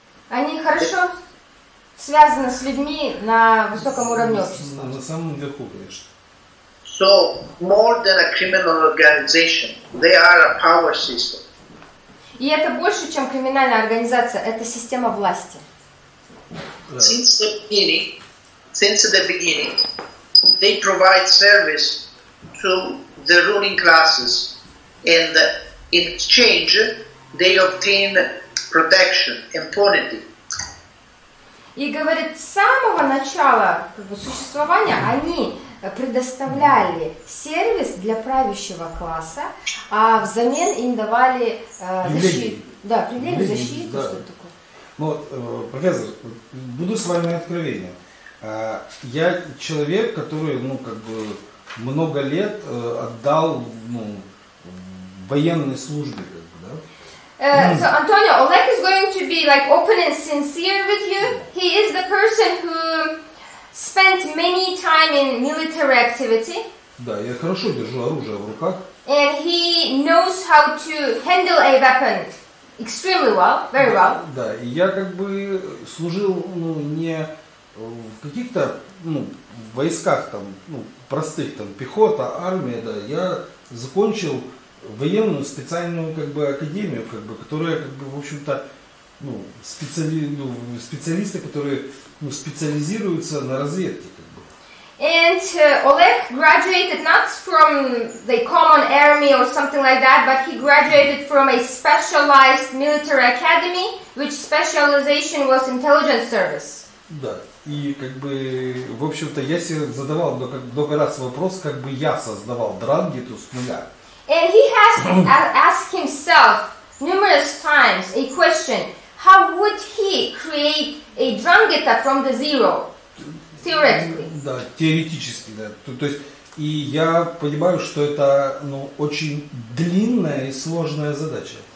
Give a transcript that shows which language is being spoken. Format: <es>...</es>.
<ru>Они хорошо связаны с людьми на высоком уровне общества. На самом верху, конечно.</ru> <en>So more than a criminal organization, they are a power system.</en> <ru>И это больше, чем криминальная организация, это система власти.</ru> <en>Since the beginning, they provide service to the ruling classes, and in exchange, they obtain protection, impunity.</en> <ru>И говорит, с самого начала существования они предоставляли сервис для правящего класса, а взамен им давали защиту, что-то такое. Ну, профессор, буду с вами откровенен. Я человек, который, ну, как бы, много лет отдал, ну, военной службе, как бы, да.</ru> <en>So, Antonio, Oleg is going to be, like, open and sincere with you. He is the person who spent many time in military activity.</en> <ru>Да, я хорошо держу оружие в руках.</ru> <en>And he knows how to handle a weapon extremely well, very well.</en> <ru>Да, и я, как бы, служил, ну, не в каких-то, ну, войсках, там, ну, простых, там, пехота, армия, да. Я закончил военную специальную, как бы, академию, как бы, которая, как бы, в общем-то, ну, специалисты, которые, ну, специализируются на разведке, как бы.</ru> <en>And Oleg graduated not from the common army or something like that, but he graduated from a specialized military academy, which specialization was intelligence service.</en> <ru>Да, и, как бы, в общем-то, я себе задавал много раз вопрос, как бы я создавал Ndrangheta с нуля.</ru> <en>And he has asked himself numerous times a question: how would he create a Ndrangheta from the zero, theoretically?</en> <ru>Да, теоретически, да. То есть, и я понимаю, что это, ну, очень длинная и сложная задача.</ru>